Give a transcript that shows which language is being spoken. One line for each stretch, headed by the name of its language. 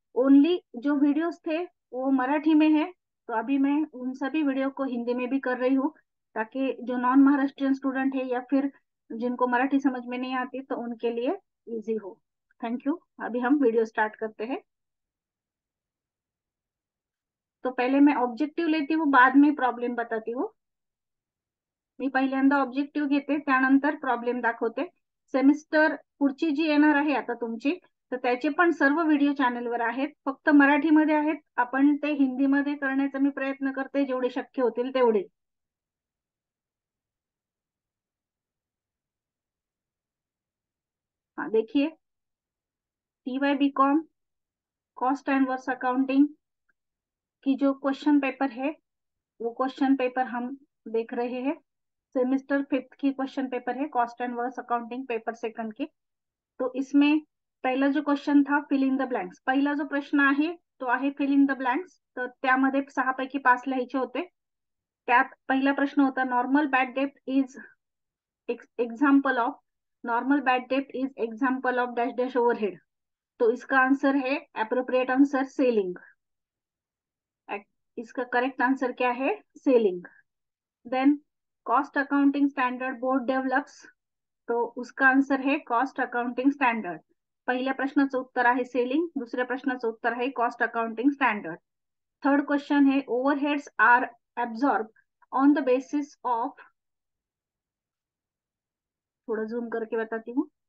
Hindi: Only जो videos थे वो मराठी में है, तो अभी मैं उन सभी वीडियो को हिंदी में भी कर रही हूँ, ताकि जो नॉन महाराष्ट्रियन स्टूडेंट है या फिर जिनको मराठी समझ में नहीं आती, तो उनके लिए इजी हो। Thank you. अभी हम वीडियो स्टार्ट करते हैं। तो पहले मैं ऑब्जेक्टिव लेती हूँ, बाद में प्रॉब्लम बताती हूँ।
Marathi: मी पहिल्यांदा ऑब्जेक्टिव घेते, त्यानंतर प्रॉब्लेम दाखवते। सेमिस्टर पुढची जी येणार आहे आता तुमची, तर त्याचे पण सर्व व्हिडिओ चॅनेलवर आहेत, फक्त मराठीमध्ये आहेत। आपण ते हिंदीमध्ये करण्याचा मी प्रयत्न करते, जेवढे शक्य होतील तेवढे।
Hindi: हाँ, देखिए, T Y B com cost and verse accounting की जो क्वेश्चन पेपर है, वो क्वेश्चन पेपर हम देख रहे हैं। सेमिस्टर फिफ्थ की क्वेश्चन पेपर है, cost and verse accounting paper second की। तो इसमें
Marathi: पहला जो क्वेश्चन था, फिल इन द ब्लैंक्स,
Hindi: पहला जो प्रश्न आहे तो आहे फिल इन द ब्लैंक्स।
Marathi: तर त्यामध्ये 6 पैकी 5 लिहायचे होते। त्यात पहिला प्रश्न होता, normal bad date is example of, normal bad date is example of dash dash overhead.
Hindi: तो इसका आंसर है, अप्रोप्रिएट आंसर, सेलिंग। इसका करेक्ट आंसर क्या है? Selling. Then cost accounting standard board develops, तो उसका आंसर है कॉस्ट अकाउंटिंग स्टैंडर्ड।
Marathi: पहले प्रश्नाचं उत्तर आहे सेलिंग, दुसऱ्या प्रश्नाचं उत्तर आहे cost accounting standard.
Hindi: Third question है, overheads are absorb on the basis of, थोड़ा जूम करके बताती हूँ।